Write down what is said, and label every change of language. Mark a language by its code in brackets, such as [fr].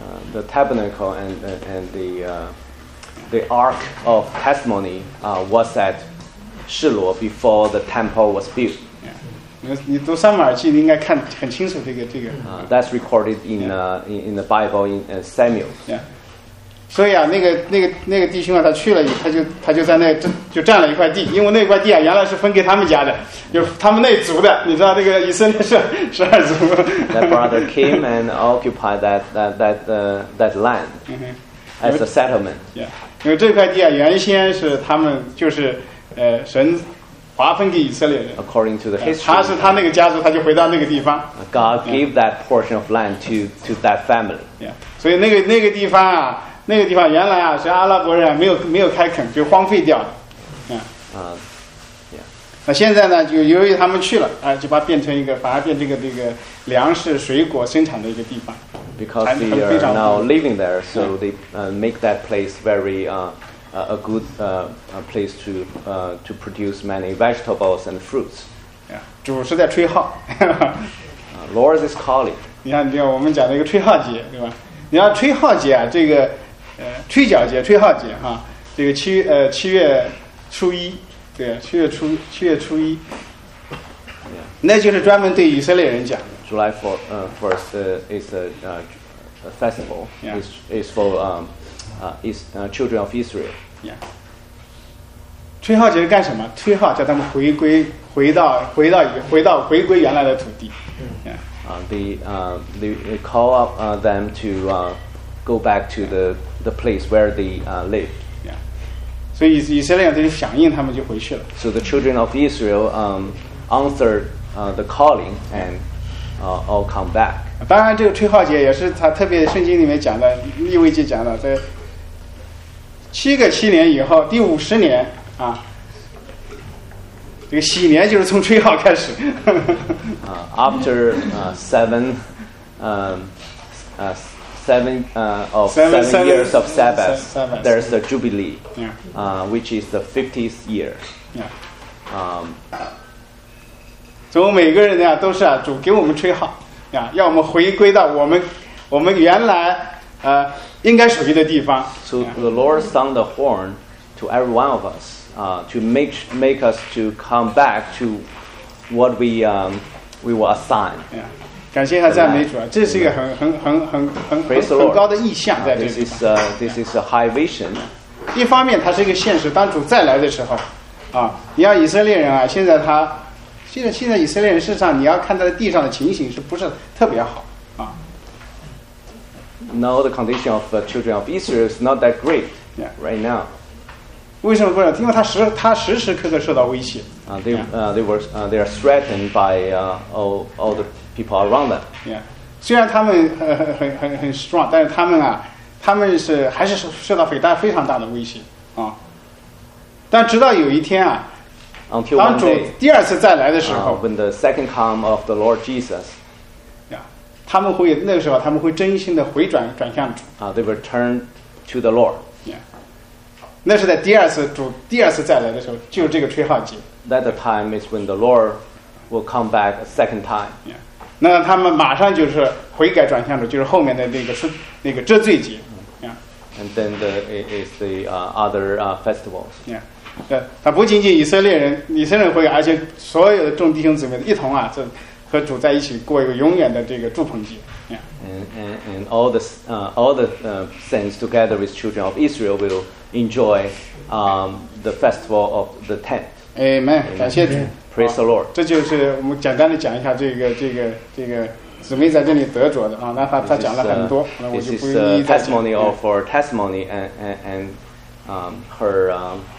[en] The tabernacle and the ark of testimony was at Shiloh before the temple was built. Yeah. [zh] 你读撒母耳记，你应该看很清楚这个。 [en] That's recorded in in the Bible in Samuel. Yeah. [zh] 所以啊，那个弟兄啊，他去了，他就在那就占了一块地，因为那块地啊，原来是分给他们家的，就他们那族的，你知道那个以色列是十二族。 [en] That brother came and occupied that land. Mm-hmm. As a settlement. [zh] Yeah. 因为这块地啊，原先是他们就是，神划分给以色列人。 [en] According to the history, [zh] 他是他那个家族，他就回到那个地方。 [en] God gave that portion of land to that family. Yeah. [zh] 所以那个地方啊，那个地方原来啊是阿拉伯人啊没有开垦，就荒废掉了。嗯。 Yeah. 那现在呢，就由于他们去了啊，就把变成一个反而变成这个粮食、水果生产的一个地方。 [en] Because they are now living there, so they make that place very a good place to produce many vegetables and fruits. [zh] Yeah, 主是在吹号。 [en] Lord is calling. [zh] 你看，我们讲那个吹号节，对吧？你要吹号节啊，这个吹角节、吹号节哈，这个七月初一，对，七月初一， yeah. 那就是专门对以色列人讲的。 [en] July 4th is a festival. Yeah. It's for children of Israel. [zh] Yeah. 吹号节是干什么？吹号叫他们回归原来的土地。 Yeah. [en] They call up them to go back to the place where they lived. Yeah. [zh] 所以以色列人就响应他们就回去了。 [en] So the children of Israel answered the calling and. All come back. [zh] 当然，这个吹号节也是他特别圣经里面讲的，利未记讲的，在七年以后，第五十年啊，这个喜年就是从吹号开始。 [en] after seven years of Sabbath, there's the Jubilee, which is the 50th year. Yeah. [zh] 所以每个人呀都是啊，主给我们吹号呀，要我们回归到我们原来应该属于的地方。 [en] So the Lord sound the horn to every one of us, to make us to come back to what we were assigned. [zh] Yeah, 感谢和赞美主啊，这是一个很高的意象在这里。 [en] This is a high vision. [zh] 一方面，它是一个现实，当主再来的时候，啊，你要以色列人啊，现在他。现在以色列人身上，你要看他的地上的情形是不是特别好啊 [en] ？Now the condition of the children of Israel is not that great right now. [zh] 为什么不是？因为他时时刻刻受到威胁。 [en] They are threatened by all the people around them. [zh] Yeah. 虽然他们很strong， 但是他们是还是受到非常大的威胁啊。但直到有一天啊。 [en] Until one day, [zh] 当主第二次再来的时候 [en] when the second come of the Lord Jesus, [zh] yeah, 他们会那个时候他们会真心的回转向主 [en] they will turn to the Lord. [zh] Yeah, 那是在主第二次再来的时候，就这个吹号节。 [en] That the time is when the Lord will come back a second time. [zh] Yeah, 那他们马上就是悔改转向主，就是后面的那个遮罪节。 Yeah, [en] and then is the other festivals. Yeah. [zh] 对，他不仅仅以色列人会，而且所有的众弟兄姊妹一同啊，这和主在一起过一个永远的这个祝棚节。 [en] And all the saints together with children of Israel will enjoy the festival of the tent. [zh] Amen. 感谢主。 [en] Praise the Lord. [zh] 这就是我们简单的讲一下这个姊妹在这里得着的啊，那他讲了很多，那我就不一再讲。 [en] This is testimony of our testimony and her.